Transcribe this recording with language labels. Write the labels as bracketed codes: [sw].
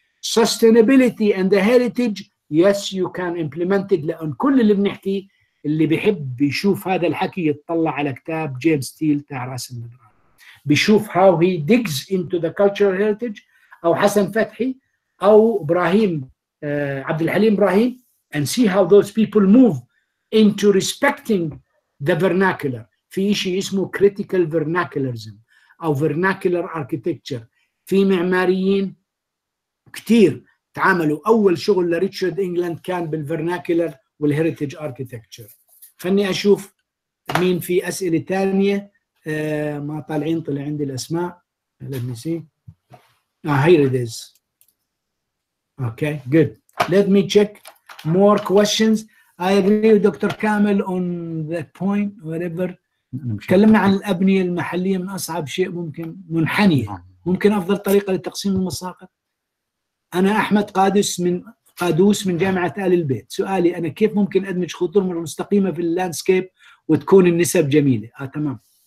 [en] Sustainability and the heritage, yes, you can implement it. [ar] لأن كل اللي بنحكي اللي بيحب يشوف هذا الحكي يتطلع على كتاب جيمس تيل تاع راس النضران. بيشوف [en] how he digs into the cultural heritage أو حسن فتحي أو إبراهيم عبد الحليم إبراهيم and see how those people move into respecting the vernacular. [ar] في إشي اسمه critical vernacularism أو vernacular architecture. في معماريين كتير تعاملوا. أول شغل لريتشارد إنجلاند كان بالفرناكلر والهيريتج أركيتكتشر. خلني أشوف مين في أسئلة تانية. ما طالعين طلع عندي الأسماء. [en] Let me see. Here it is. Okay, good. Let me check more questions. I agree with Dr. Kamel on the point, whatever. [ar] تكلمنا عن الأبنية المحلية من أصعب شيء ممكن منحنية. ممكن أفضل طريقة لتقسيم المساقط. أنا أحمد قادوس من جامعة آل البيت. سؤالي أنا كيف ممكن أدمج خطوط مرور مستقيمة في اللاندسكيب وتكون النسب جميلة؟ تمام.